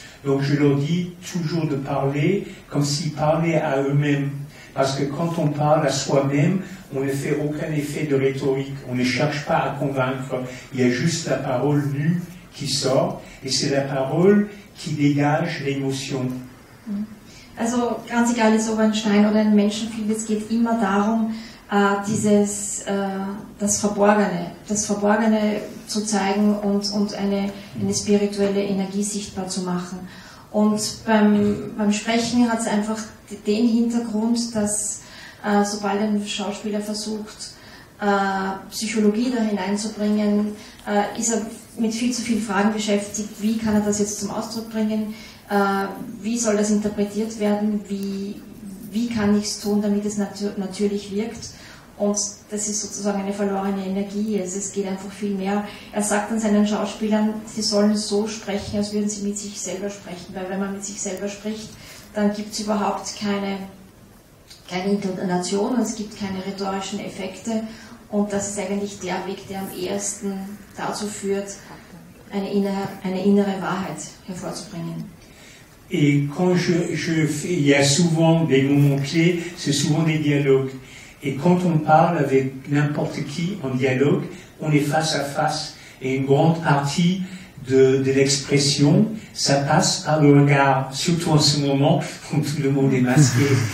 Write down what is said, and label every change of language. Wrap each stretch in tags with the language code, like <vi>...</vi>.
<fr>Donc je leur dis toujours de parler comme s'ils parlaient à eux-mêmes. Parce que quand on parle à soi-même, on ne fait aucun effet de rhétorique. On ne cherche pas à convaincre. Il y a juste la parole nue qui sort. Et c'est la parole qui dégage l'émotion.</fr> <de>Also, ganz egal, ist ob ein Stein oder ein Menschenfilm, es geht immer darum, das Verborgene zu zeigen und eine spirituelle Energie sichtbar zu machen. Und beim Sprechen hat es einfach den Hintergrund, dass sobald ein Schauspieler versucht, Psychologie da hineinzubringen, ist er mit viel zu vielen Fragen beschäftigt, wie kann er das jetzt zum Ausdruck bringen, wie soll das interpretiert werden, wie kann ich es tun, damit es natürlich wirkt. Und das ist sozusagen eine verlorene Energie, also es geht einfach viel mehr. Er sagt dann seinen Schauspielern, sie sollen so sprechen, als würden sie mit sich selber sprechen, weil wenn man mit sich selber spricht, dann gibt es überhaupt keine Intonation, es gibt keine rhetorischen Effekte und das ist eigentlich der Weg, der am ehesten dazu führt, eine innere Wahrheit hervorzubringen.</de> <fr>Et quand je fais, il y a souvent des moments clés, c'est souvent des dialogues. Et quand on parle avec n'importe qui en dialogue, on est face à face. Et une grande partie de l'expression, ça passe par le regard, surtout en ce moment où tout le monde est masqué.</fr>